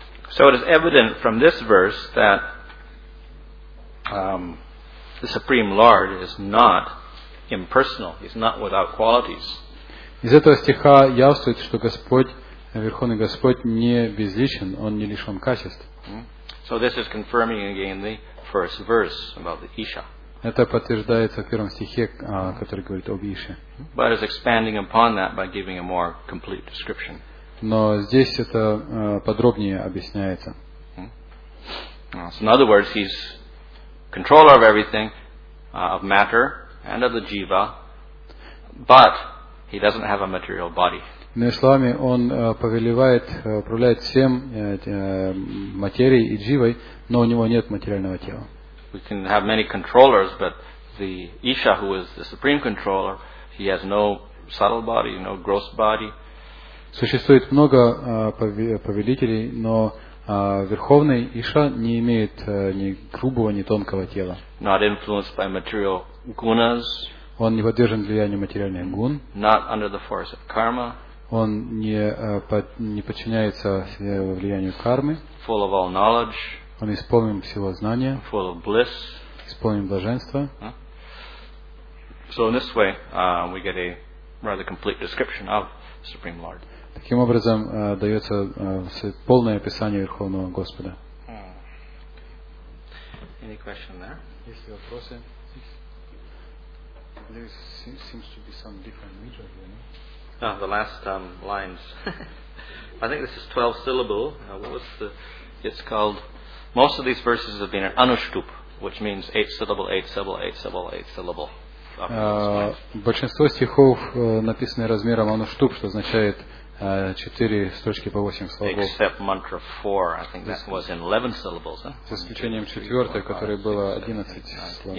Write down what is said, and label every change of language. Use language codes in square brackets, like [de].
[en] So it is evident from this verse that the Supreme Lord is not impersonal. He's not without qualities. [ru] Из этого стиха явствует, что Господь, Верховный Господь, не безличен, Он не лишен качеств. [en] So this is confirming again the first verse about the Isha. [ru] Это подтверждается в первом стихе, который говорит об Ише. [en] But is expanding upon that by giving a more complete description. [ru] Но здесь это подробнее объясняется. [en] So in other words, he's controller of everything, of matter and of the jiva, but he doesn't have a material body. [ru] Иными словами, он повелевает, управляет всем материей и дживой, но у него нет материального тела. [en] We can have many controllers, but the Isha, who is the supreme controller, he has no subtle body, no gross body. [ru] Существует много повелителей, но верховный Иша не имеет ни грубого, ни тонкого тела. [en] Not influenced by material gunas. [ru] Он не подвержен влиянию материальных гун. [en] Not under the force of karma. [ru] Он не подчиняется влиянию кармы. [en] Full of all knowledge. [ru] Он исполнен всего знания. [en] Full of bliss. [ru] Исполнен блаженства. [en] So in this way, we get a rather complete description of the Supreme Lord. [ru] Таким образом, дается полное описание Верховного Господа. [en] Any question there? [ru] Есть ли вопросы? [en] There seems to be some different meter here, no? Ah, the last lines. I think this is 12 syllable. It's called... Most of these verses have been an anushtup, which means 8 syllable, 8 syllable, 8 syllable, 8 syllable. [ru] Большинство стихов написаны размером anushtup, что означает 4 строчки по 8 слогов. [en] Except mantra 4, I think that was in 11 syllables. [ru] С исключением четвертой, которая была 11 слогов.